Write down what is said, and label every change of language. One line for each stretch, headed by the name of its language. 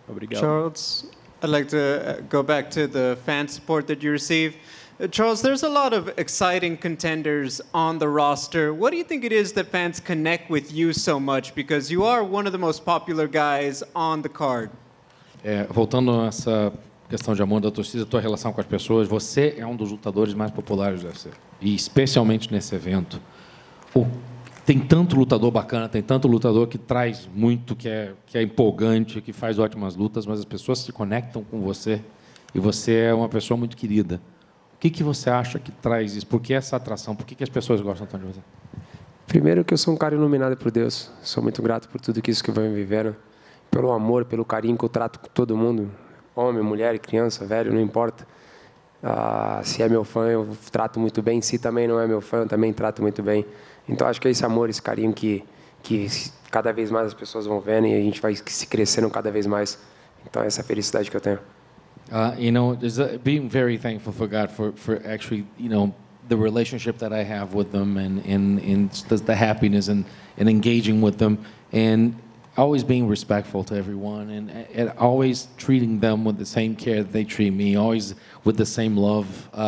English: Charles, I'd like to go back to the fan support that you receive. Charles, there's a lot of exciting contenders on the roster. What do you think it is that fans connect with you so much? Because you are one of the most popular guys on the card.
Portuguese: Voltando a essa questão de amor da torcida, tua relação com as pessoas, você é um dos lutadores mais populares do UFC. E especialmente nesse evento. Tem tanto lutador bacana, tem tanto lutador que traz muito, que é empolgante, que faz ótimas lutas, mas as pessoas se conectam com você e você é uma pessoa muito querida. O que você acha que traz isso? Por que essa atração? Por que as pessoas gostam tanto de você? Primeiro que eu sou um cara iluminado por Deus. Sou muito grato por tudo isso que vocês viveram. Pelo amor, pelo carinho que eu trato com todo mundo. Homem, mulher, criança, velho, não importa. Se é meu fã, eu trato muito bem. Se também não é meu fã, eu também trato muito bem. Então, acho que é esse amor, esse carinho que cada vez mais as pessoas vão vendo e a gente vai se crescendo cada vez mais. Então, essa felicidade que eu tenho.
English: You know, being very thankful for God for actually, you know, the relationship that I have with them and the happiness and engaging with them and always being respectful to everyone and always treating them with the same care that they treat me, always with the same love.